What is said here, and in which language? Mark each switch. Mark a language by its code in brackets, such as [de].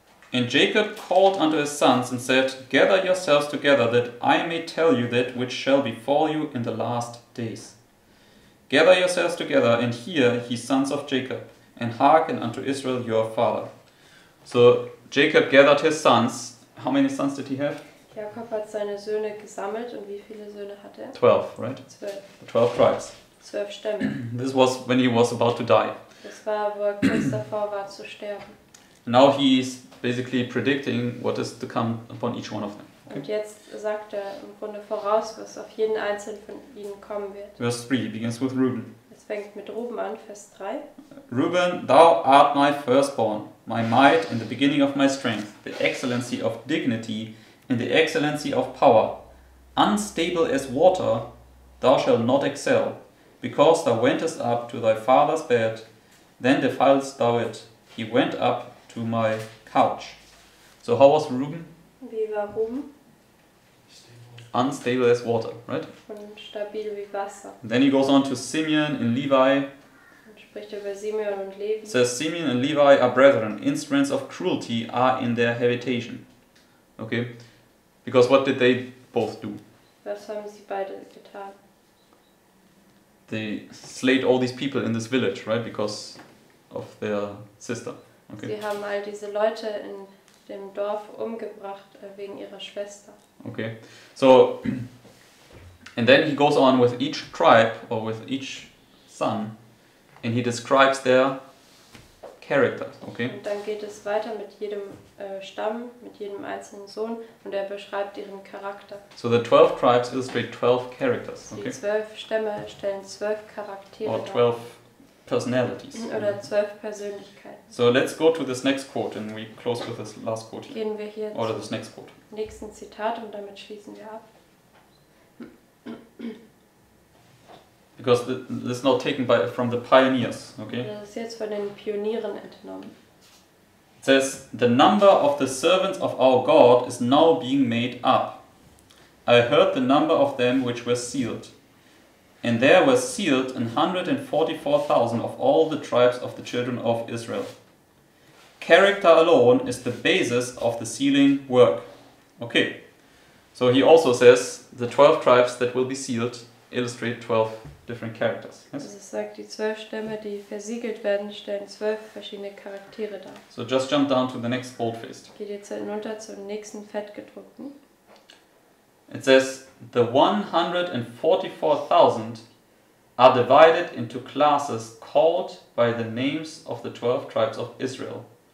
[en] And Jacob called unto his sons and said, Gather yourselves together, that I may tell you that which shall befall you in the last days. Gather yourselves together, and hear, ye sons of Jacob, and hearken unto Israel your father. So Jacob gathered his sons. How many sons did he have? [de] Jakob hat seine Söhne gesammelt, und wie viele Söhne hat er? [en] 12, right? 12. The 12 tribes. [de] 12 Stämme. [en] This was when he was about to die. [de] Das war, wo er kurz davor war zu sterben. [en] Now he's basically predicting what is to come upon each one of them. Okay. [de] Und jetzt sagt er im Grunde voraus, was auf jeden einzelnen von ihnen kommen wird. [en] Verse 3 begins with Reuben. [de] Es fängt mit Reuben an, Vers 3. [en] Reuben, thou art my firstborn, my might and the beginning of my strength, the excellency of dignity and the excellency of power. Unstable as water, thou shalt not excel, because thou wentest up to thy father's bed, then defiledst thou it. He went up to my couch. So how was Reuben? [de] Wie war Reuben? [en] Unstable as water, right? [de] Und stabil wie Wasser. [en] And then he goes on to Simeon and Levi. [de] Und spricht über Simeon und Levi. [en] Says Simeon and Levi are brethren. Instruments of cruelty are in their habitation. Okay. Because what did they both do? [de] Was haben sie beide getan? [en] They slayed all these people in this village, right? Because of their sister. Okay. [de] Sie haben all diese Leute in dem Dorf umgebracht wegen ihrer Schwester. [en] Okay, so and then he goes on with each tribe or with each son, and he describes their character. Okay. [de] Und dann geht es weiter mit jedem Stamm, mit jedem einzelnen Sohn, und er beschreibt ihren Charakter. [en] So the 12 tribes illustrate 12 characters. Okay. [de] Die 12 Stämme stellen 12 Charaktere [en] dar. Or 12 personalities. [de] Oder 12 Persönlichkeiten. [en] So let's go to this next quote and we close with this last quote here. [de] Gehen wir hier [en] oder this next quote. [de] Nächsten Zitat und damit schließen wir ab. [en] Because this is not taken by from the pioneers, okay? [de] Das ist jetzt von den Pionieren entnommen. [en] It says the number of the servants of our God is now being made up. I heard the number of them which were sealed. And there were sealed 144,000 of all the tribes of the children of Israel. Character alone is the basis of the sealing work. Okay. So he also says the 12 tribes that will be sealed illustrate 12 different characters. Yes? [de] Also es sagt, die 12 Stämme, die versiegelt werden, stellen 12 verschiedene Charaktere dar. [en] So just jump down to the next boldface. [de] Geht jetzt hinunter zum nächsten fettgedruckten. [en] It says, the 144,000 are divided into classes called by the names of the 12 tribes of Israel.